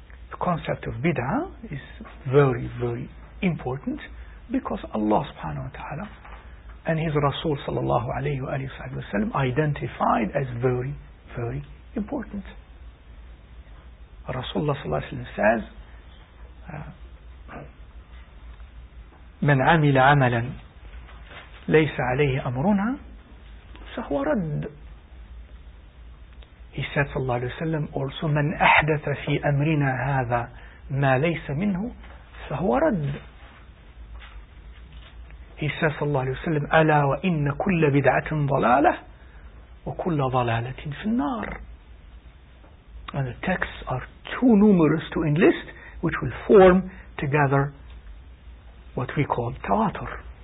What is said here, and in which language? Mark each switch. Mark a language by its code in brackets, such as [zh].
[en] The concept of bid'ah is very, very important, because Allah subhanahu wa ta'ala and His Rasul sallallahu alayhi wa sallam identified as very, very important. Rasulullah sallallahu alayhi wa sallam says, [ar] من عمل عملا ليس عليه أمرنا فهو رد. [en] He said sallallahu alayhi wa sallam also, [ar] من أحدث في أمرنا هذا ما ليس منه فهو رد. He [en] he says, sallallahu alayhi wa sallam, [ar] أَلَا وَإِنَّ كُلَّ بِدْعَةٍ ضَلَالَةٍ وَكُلَّ ضَلَالَةٍ فِي النَّارِ. [en] And the texts are too numerous to enlist, which will form together what we call tawatur.